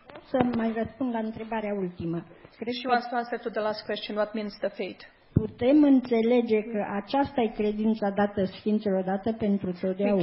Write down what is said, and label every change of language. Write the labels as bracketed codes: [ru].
[ro] Să mai răspund la întrebarea ultimă. [en] She wants to answer to the last question, what means the faith? [ro] Putem înțelege că aceasta e credința dată sfinților dată pentru totdeauna.